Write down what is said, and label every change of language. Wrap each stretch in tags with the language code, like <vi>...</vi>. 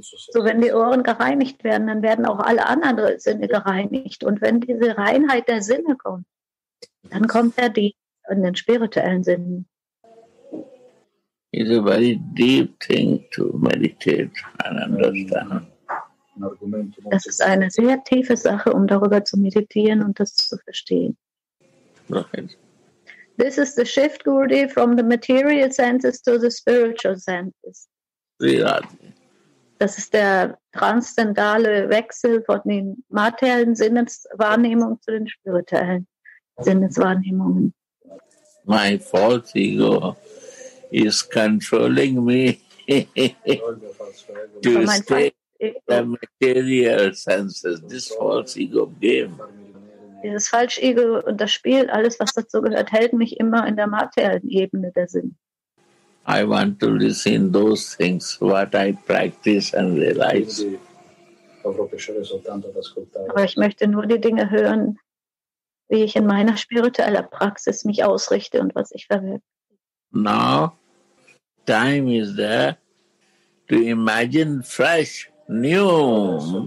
<de>So wenn die Ohren gereinigt werden, dann werden auch alle anderen Sinne gereinigt. Und wenn diese Reinheit der Sinne kommt, dann kommt der Dienst an den spirituellen Sinnen.</de> <en>is a very deep thing to meditate and understand.</en> <de>Das ist eine sehr tiefe Sache, um darüber zu meditieren und das zu verstehen.</de> <en>Right. This is the shift, Gurudev, from the material senses to the spiritual senses. Really?</en> <de>Das ist der transzendale Wechsel von den materiellen Sinneswahrnehmungen zu den spirituellen Sinneswahrnehmungen.</de> <en>My false ego is controlling me to stay the material senses, this false ego game.</en> <de>Dieses Falsch-Ego und das Spiel, alles, was dazu gehört, hält mich immer in der materiellen Ebene der Sinn.</de> <en>I want to listen those things, what I practice and realize.</en> <de>Aber ich möchte nur die Dinge hören, wie ich in meiner spirituellen Praxis mich ausrichte und was ich verwirke.</de> <en>Now, time is there to imagine fresh, new.</en>